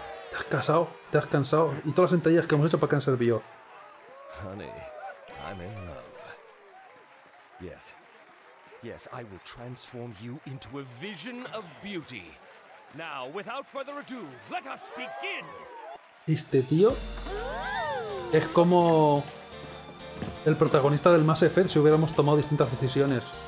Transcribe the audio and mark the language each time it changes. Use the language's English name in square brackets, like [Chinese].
[Spanish] ¿Te has casado? ¿Te has cansado? ¿Y todas las sentadillas que hemos hecho para que han servido? [English] Honey, I'm in love. Yes. Yes, I will transform you into a vision of beauty. Now, without further ado, let us begin. [Spanish] Este tío es como el protagonista del Mass Effect si hubiéramos tomado distintas decisiones.